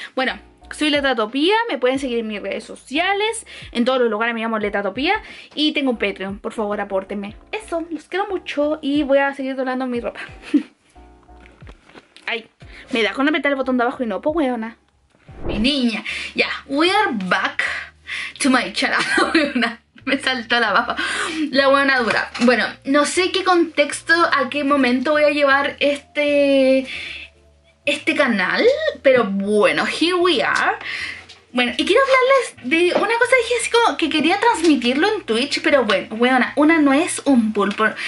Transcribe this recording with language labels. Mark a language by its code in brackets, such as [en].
[es] Bueno, soy Letratopía, me pueden seguir en mis redes sociales. En todos los lugares me llamo Letratopía. Y tengo un Patreon, por favor, apórtenme. Eso, los quiero mucho y voy a seguir doblando mi ropa. Ay, me da con apretar el botón de abajo y no, pues weona. Mi niña, ya, [en] yeah, we are back to my channel, weona. [es] Me saltó la baba. La weona dura. Bueno, no sé qué contexto, a qué momento voy a llevar este canal, pero bueno, [en] here we are. [es] Bueno, y quiero hablarles de una cosa que dije así como que quería transmitirlo en Twitch, pero bueno, weona, una no es un pulpo.